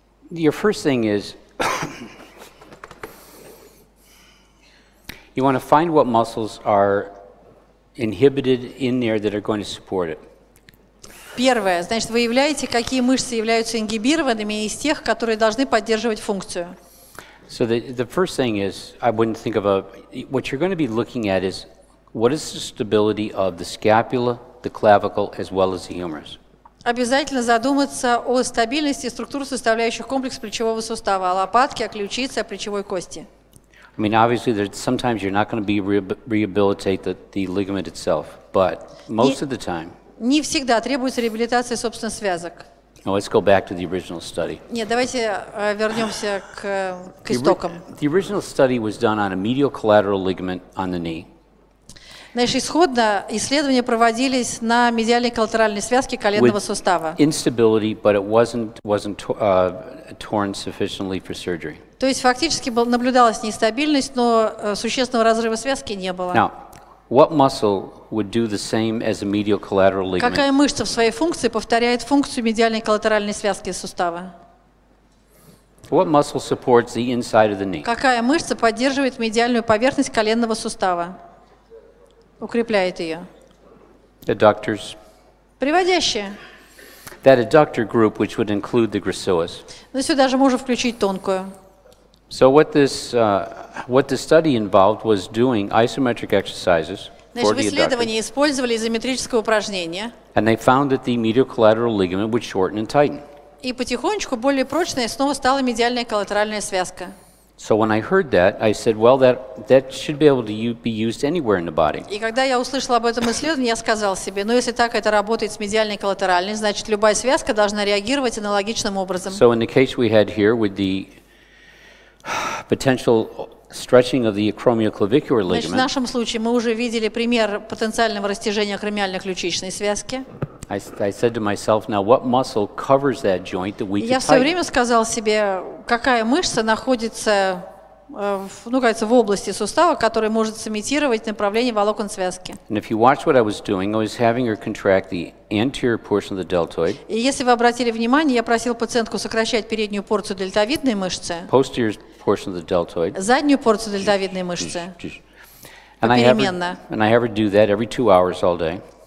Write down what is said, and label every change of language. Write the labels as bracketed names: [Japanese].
[English] Your first thing is you want to find what muscles are inhibited in there that are going to support it. [Russian] Первое, значит, выявляете, какие мышцы являются ингибированными из тех, которые должны поддерживать функцию. [English] So the first thing is I wouldn't think of a what you're going to be looking at is what is the stability of the scapula, the clavicle as well as the humerus. [Russian] Обязательно задуматься о стабильности структур, составляющих комплекс плечевого сустава, о лопатке, о ключице, о плечевой кости. [English] I mean, obviously, sometimes you're not going to be rehabilitate the ligament itself, but most of the time. [Russian] Не всегда требуется реабилитация собственно связок. [English] Now, let's go back to the original study. [Russian] Нет, давайте вернемся к истокам. [English] The original study was done on a medial collateral ligament on the knee. [Russian] Значит, исходно исследования проводились на медиальной коллатеральной связке коленного сустава. [English] Instability, but it wasn't torn sufficiently for surgery. [Russian] То есть фактически наблюдалась нестабильность, но существенного разрыва связки не было. [English] Now, what muscle would do the same as a medial collateral ligament? [Russian] Какая мышца в своей функции повторяет функцию медиальной коллатеральной связки сустава? [English] What muscle supports the inside of the knee? [Russian] Какая мышца поддерживает медиальную поверхность коленного сустава? Укрепляет ее. [English] Adductors. [Russian] Приводящие. [English] That adductor group, which would include the gracilis. [Russian] Но сюда же можно включить тонкую. [English] So what the study involved was doing isometric exercises for the [Russian] исследовании использовали изометрическое упражнение. [English] And they found that the medial collateral ligament would shorten and tighten. [Russian] И потихонечку более прочной снова стала медиальная коллатеральная связка. [English] So when I heard that, I said, well, that should be able to be used anywhere in the body. [Russian] И когда я услышал об этом исследовании, я сказал себе, ну если так это работает с медиальной коллатеральной, значит любая связка должна реагировать аналогичным образом. [English] So in the case we had here with the potential stretching of the acromioclavicular ligament. [Russian] Значит, в нашем случае мы уже видели пример потенциального растяжения акромиальной ключичной связки. [English] I said to myself, now what muscle covers that joint that we can tighten? [Russian] Я все время сказал себе, какая мышца находится, ну, кажется, в области сустава, который может сымитировать направление волокон связки. [English] And if you watch what I was doing, I was having her contract the anterior portion of the deltoid. [Russian] И если вы обратили внимание, я просил пациентку сокращать переднюю порцию дельтовидной мышцы. [English] Posterior portion of the deltoid. [Russian] Заднюю порцию дельтовидной мышцы. [English] And I have her do that every 2 hours all day.